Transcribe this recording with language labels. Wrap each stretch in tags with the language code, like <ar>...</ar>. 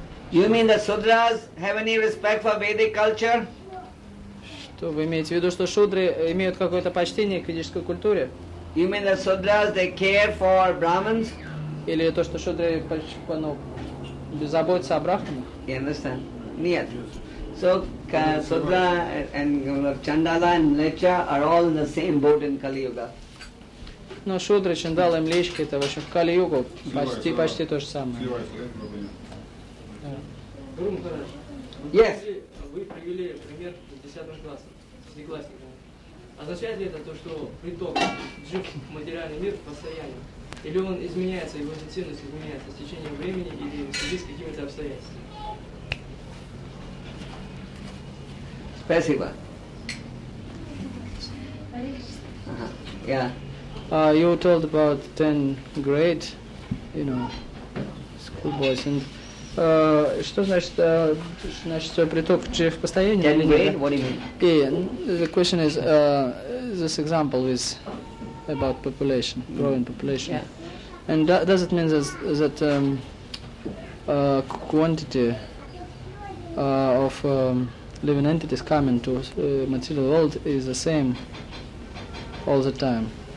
<en>You mean the Sudras have any respect for Vedic culture?</en> <ru>Что вы имеете в виду, что Шудры имеют какое-то почтение к ведической культуре?</ru> <en>You mean the Sudras, they care for Brahmins?</en> <ru>Или то, что Шудры, ну, заботятся о брахманах?</ru> <en>You understand?</en> <ru>Нет.</ru> <en>So Sudra and Chandala and Mlecha are all in the same boat in Kali Yuga.</en> <ru>Но Шудры, Чандала и Млечки – это вообще в Кали Югу почти то же самое. Гуру Махарадж, вы привели пример 10 класса, семиклассника. Означает ли это то, что приток джив в материальный мир постоянен? Или он изменяется, его интенсивность изменяется с течением времени или в связи с какими-то обстоятельствами? Спасибо.</ru> <en>You told about 10 grade, you know, schoolboys.</en> <ru>And что значит, значит, что приток джив постоянен?</ru> <en>10 grade, what do you mean? The question is, this example is about population, growing population. Yeah. And does it mean that quantity of living entities coming to material world is the same all the time?</en>